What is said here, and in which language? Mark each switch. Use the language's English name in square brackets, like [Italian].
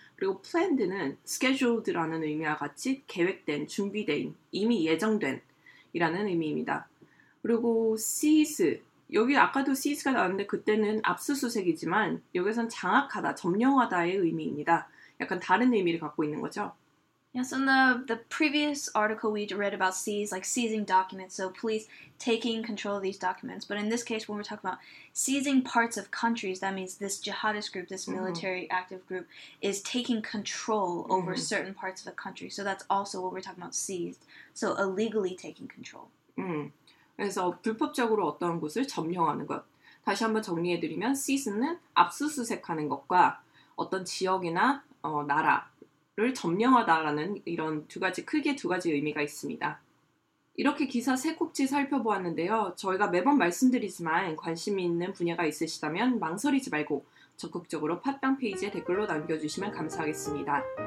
[Korean] 그리고 planned는 scheduled라는 의미와 같이 계획된, 준비된, 이미 예정된 이라는 의미입니다. 그리고 seize, 여기 아까도 seize가 나왔는데 그때는 압수수색이지만 여기선 장악하다, 점령하다의 의미입니다. 약간 다른 의미를 갖고 있는 거죠. [English] Yes, in the previous article we read about seize, like seizing documents, so police taking control of these documents. But in this case, when we're talking about seizing parts of countries, that means this jihadist group, this military active group, is taking control over certain parts of a country. So that's also what we're talking about, seized. So illegally taking control. [Korean] 그래서 불법적으로 어떤 곳을 점령하는 것. 다시 한번 정리해드리면, seize는 압수수색하는 것과 어떤 지역이나 나라, 를 점령하다라는 이런 두 가지 크게 두 가지 의미가 있습니다. 이렇게 기사 세 꼭지 살펴보았는데요. 저희가 매번 말씀드리지만 관심 있는 분야가 있으시다면 망설이지 말고 적극적으로 팟빵 페이지에 댓글로 남겨주시면 감사하겠습니다.